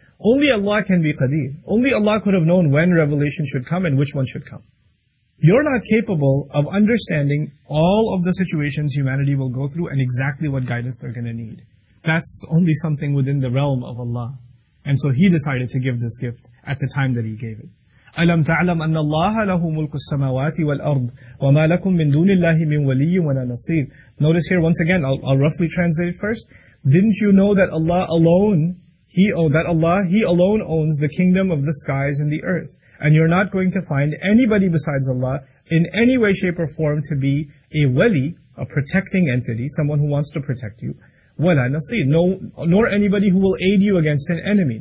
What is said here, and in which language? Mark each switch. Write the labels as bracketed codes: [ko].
[en] Only Allah can be Qadir. Only Allah could have known when revelation should come and which one should come. You're not capable of understanding all of the situations humanity will go through and exactly what guidance they're going to need. That's only something within the realm of Allah. And so He decided to give this gift at the time that He gave it. [ar] أَلَمْ تَعْلَمْ أَنَّ اللَّهَ لَهُ مُلْكُ السَّمَاوَاتِ وَالْأَرْضِ وَمَا لَكُمْ مِنْ دُونِ اللَّهِ مِنْ وَلِيٍّ وَلَا نَصِيرٍ [en] Notice here once again, I'll roughly translate it first. Didn't you know that Allah alone owns the kingdom of the skies and the earth? And you're not going to find anybody besides Allah in any way, shape or form to be a wali, a protecting entity, someone who wants to protect you. [ar] وَلَا نَصِيرٍ [en] Nor anybody who will aid you against an enemy.